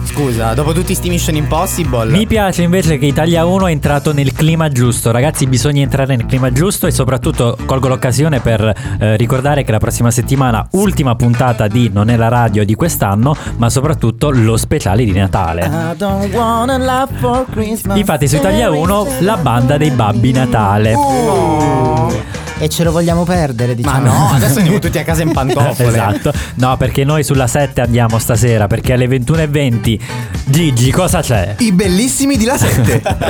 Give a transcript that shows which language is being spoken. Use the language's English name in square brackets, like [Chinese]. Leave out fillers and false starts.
[Italian] Scusa, dopo tutti sti Mission Impossible. Mi piace invece che Italia 1 è entrato nel clima giusto. Ragazzi, bisogna entrare nel clima giusto. E soprattutto colgo l'occasione per ricordare che la prossima settimana, ultima puntata di Non è la radio di quest'anno, ma soprattutto lo speciale di Natale. [English] I don't wanna laugh for Christmas. [Italian] Infatti su Italia 1 la banda dei Babbi Natale. E ce lo vogliamo perdere, diciamo. Ma no, adesso andiamo tutti a casa in pantofole. Esatto. No, perché noi sulla 7 andiamo stasera. Perché alle 21.20 Gigi, cosa c'è? I bellissimi di la 7.